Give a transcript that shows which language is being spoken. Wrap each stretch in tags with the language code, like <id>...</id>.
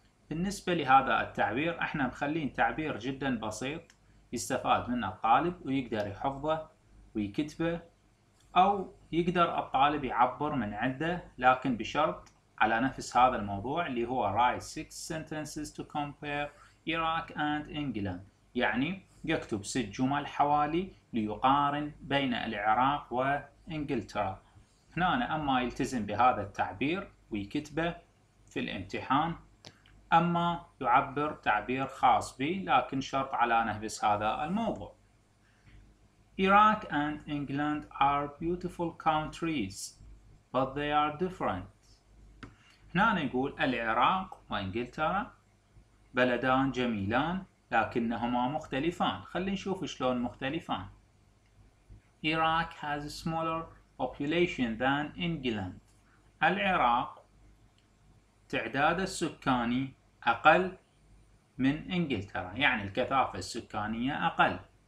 <ar>بالنسبة لهذا التعبير احنا نخليه تعبير جدا بسيط يستفاد منه الطالب ويقدر يحفظه ويكتبه، او يقدر الطالب يعبر من عنده، لكن بشرط على نفس هذا الموضوع اللي هو</ar> <en>write 6 sentences to compare Iraq and England،</en> <ar>يعني يكتب 6 جمل حوالي ليقارن بين العراق وإنجلترا. هنا أنا أما يلتزم بهذا التعبير ويكتبه في الامتحان، أما يعبر تعبير خاص به، لكن شرط على نفس هذا الموضوع.</ar> <en>Iraq and England are beautiful countries but they are different.</en> <ar>هنا نقول العراق وإنجلترا بلدان جميلان لكنهما مختلفان. خلينا نشوف شلون مختلفان.</ar> <en>Iraq has a smaller population than England.</en> <ar>العراق تعداده السكاني أقل من إنجلترا، يعني الكثافة السكانية أقل.</ar>